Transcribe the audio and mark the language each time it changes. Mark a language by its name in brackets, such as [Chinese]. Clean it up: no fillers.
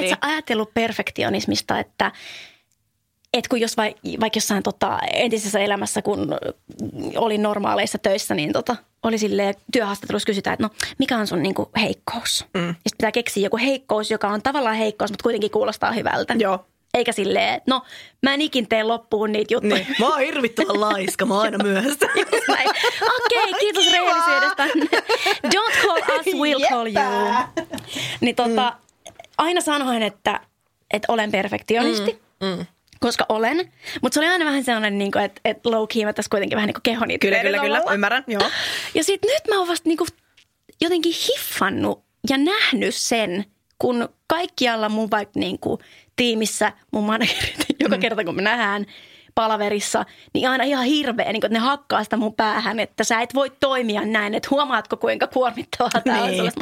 [Finnish] Kun mä oon ajatellut perfektionismista, että kun jos vaikka jossain entisessä elämässä, kun olin normaaleissa töissä, niin oli silleen, työhaastattelussa kysytään, että no mikä on sun niinku heikkous? Mm. Sitten pitää keksiä joku heikkous, joka on tavallaan heikkous, mutta kuitenkin kuulostaa hyvältä. Joo. Eikä silleen, että no mä en ikin tee loppuun niitä juttuja. Niin. Mä oon hirvittävän laiska, mä oon aina myöhässä. Okei, kiitos rehellisyydestä. [English] Don't call us, we'll call you. [Finnish] Niin aina sanoin, että olen perfektionisti. Koska olen, mutta se oli aina vähän sellainen, niin kuin, että low key mä tässä kuitenkin vähän niin kuin kehon itse. Kyllä, ymmärrän, joo. Ja sitten nyt mä oon vasta niin kuin jotenkin hiffannut ja nähnyt sen, kun kaikkialla mun vaikka niin kuin tiimissä, mun managerit, joka kerta kun me nähdään palaverissa, niin aina ihan hirveä, niin kuin, että ne hakkaa sitä mun päähän, että sä et voi toimia näin, että huomaatko kuinka kuormittavaa tämä on. Niin.